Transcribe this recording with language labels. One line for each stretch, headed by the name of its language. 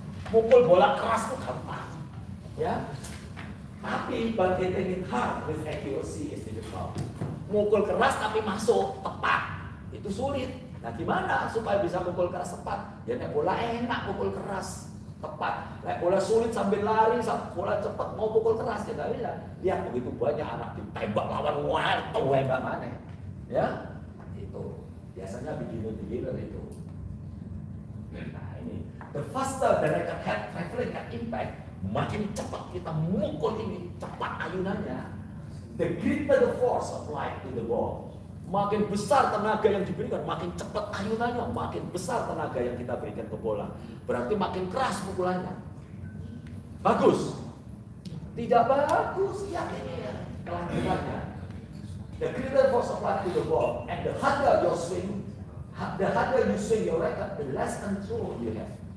Indonesian: Mukul bola keras itu gampang. Ya. Tapi
English: but hitting it hard with accuracy is difficult.
Indonesian: Mukul keras tapi masuk tepat, itu sulit. Nah gimana supaya bisa mukul keras tepat? Ya nek bola enak mukul keras tepat. Nek bola sulit sambil lari, bola cepat mau mukul keras ya gak bisa. Lihat begitu banyak anak ditembak lawan luar, tembak mana? Ya itu biasanya beginner itu. Nah ini
English: the faster the racket head traveling at impact,
Indonesian: makin cepat kita mukul ini cepat ayunannya.
English: The greater the force of light in the ball.
Indonesian: Makin besar tenaga yang diberikan, makin cepat ayunannya, makin besar tenaga yang kita berikan ke bola. Berarti makin keras pukulannya. Bagus. Tidak bagus ya ini kelanjutannya.
English: The greater force of light in the ball and the harder your swing, the harder you swing your racket, the less control you have.